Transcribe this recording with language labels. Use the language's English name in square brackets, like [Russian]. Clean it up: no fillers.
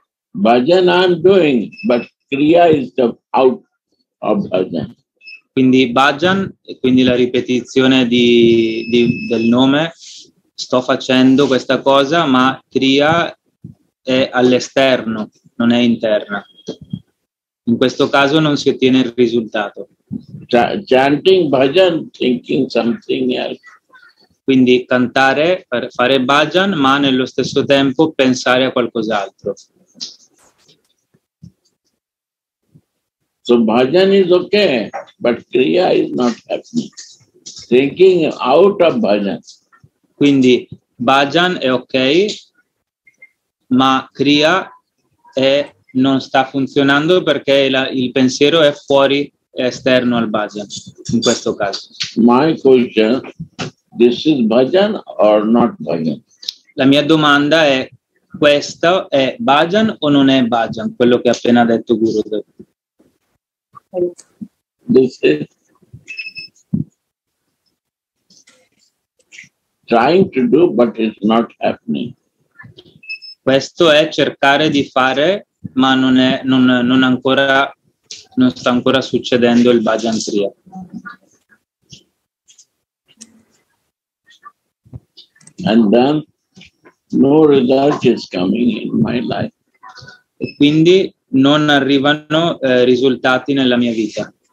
[English] Bhajan I am doing, but kriya is the out of bhajan. [Italian] Quindi bhajan, e quindi la ripetizione del nome, sto facendo questa cosa, ma kriya è all'esterno, non è interna. In questo caso non si ottiene il risultato. [English] Chanting bhajan, thinking something else. [Italian] Quindi cantare, fare bhajan, ma nello stesso tempo pensare a qualcos'altro. [English] So bhajan is okay, but kriya is not happening. Thinking out of bhajan. [Italian] Quindi bhajan è ok, ma kriya è non sta funzionando perché il pensiero è fuori, è esterno al bhajan in questo caso. [English] My question, this is bhajan or not bhajan? [Italian] La mia domanda è: questo è bhajan o non è bhajan, quello che ha appena detto Gurudev? [English] This is trying to do, but it's not happening. [Italian] Questo è cercare di fare, ma non sta ancora succedendo il Bhajan Kriya. [English] And then no result is coming in my life. [Italian] E quindi non arrivano risultati nella mia vita.